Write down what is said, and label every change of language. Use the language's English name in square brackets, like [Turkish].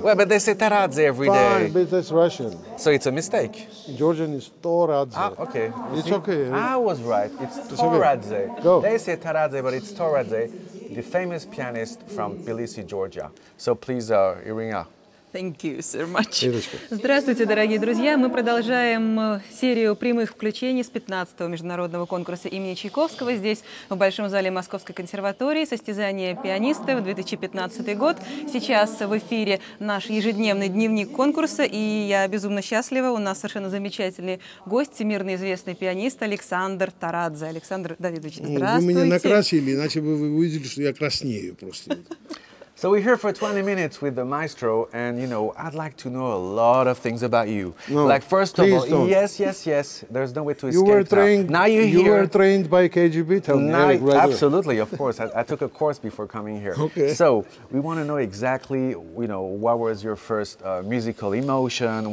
[English] Well, but they say Toradze every day. Fine, but that's Russian. So it's a mistake. Georgian is Toradze. Ah, okay. It's okay. I was right. It's Toradze. Okay. Go. They say Toradze, but it's Toradze, the famous pianist from Tbilisi, Georgia. So please, Irina. Thank you so much. [Russian] Здравствуйте, дорогие друзья. Мы продолжаем серию прямых включений с 15-го международного конкурса имени Чайковского здесь, в Большом зале Московской консерватории, состязание пианистов, 2015 год. Сейчас в эфире наш ежедневный дневник конкурса, и я безумно счастлива. У нас совершенно замечательный гость, всемирно известный пианист Александр Тарадзе. Александр Давидович, здравствуйте. Вы меня накрасили, иначе бы вы увидели, что я краснею просто. [English] So we're here for 20 minutes with the maestro, and you know, I'd like to know a lot of things about you. No, like first of all, don't. Yes, there's no way to escape. You were trained. Now you're here. You were trained by KGB. Tell me, right? Absolutely, of course. I took a course before coming here. Okay. So we want to know exactly, you know, what was your first musical emotion?